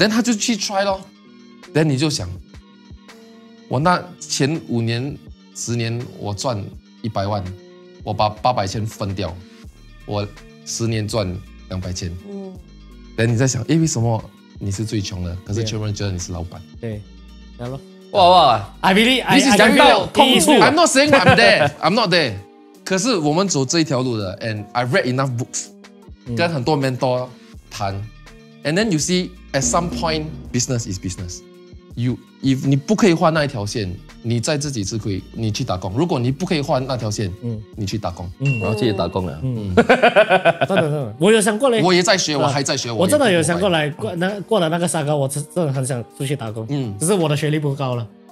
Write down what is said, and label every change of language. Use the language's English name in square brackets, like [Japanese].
[Chinese] 然后他就去 try 咯然后你就想我那前五年十年我赚一百万我把800000分掉我十年赚200000、嗯、然后你在想为什么你是最穷的可是全部人觉得你是老板对, 对哇哇 [English] I believe this is [Chinese] 讲到痛处 [English] I'm not saying I'm there I'm not there [Chinese] 可是我们走这一条路的 [English] and I read enough books [Chinese] 跟很多 [English] mentor 谈 ，and then you see at some point business is business. You if [Chinese] 你不可以画那一条线，你在自己吃亏，你去打工。如果你不可以画那条线，嗯、你去打工，然后自己打工了。嗯，真的真的，我有想过嘞。我也在学，我还在学。我真的有想过来过了那个沙高，我真的很想出去打工。嗯，只是我的学历不高了。